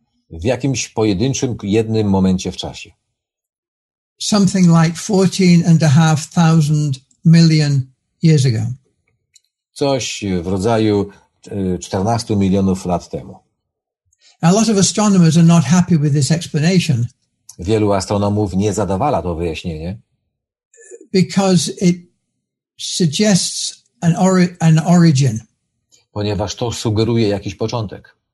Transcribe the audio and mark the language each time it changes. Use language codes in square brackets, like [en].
[pl] W jakimś pojedynczym, jednym momencie w czasie. [en] Something like 14,500 million years ago. [pl] Coś w rodzaju 14 milionów lat temu. [en] A lot of astronomers are not happy with this explanation. [pl] Wielu astronomów nie zadowala to wyjaśnienie. [en] Because it suggests an origin. [pl] Ponieważ to sugeruje jakiś początek.